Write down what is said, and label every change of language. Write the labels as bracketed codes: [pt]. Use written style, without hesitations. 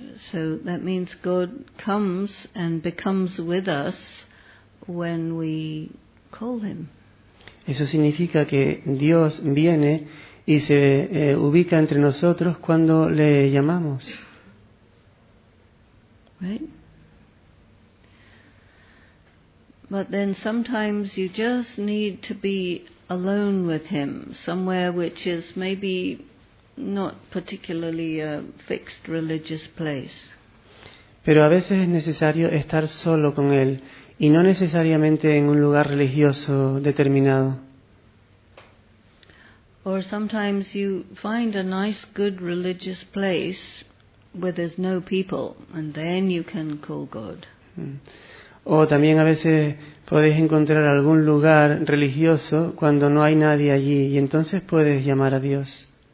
[en] So that means God comes and becomes with us when we call him. [es] Eso significa que Dios viene y se ubica entre nosotros cuando le llamamos. [en] Right? But then sometimes you just need to be alone with him, somewhere which is maybe not particularly a fixed religious place. [es] Pero a veces es necesario estar solo con él, y no necesariamente en un lugar religioso determinado. [en] Or sometimes you find a nice, good religious place where there's no people, and then you can call God. [es] O también a veces puedes encontrar algún lugar religioso cuando no hay nadie allí, y entonces puedes llamar a Dios.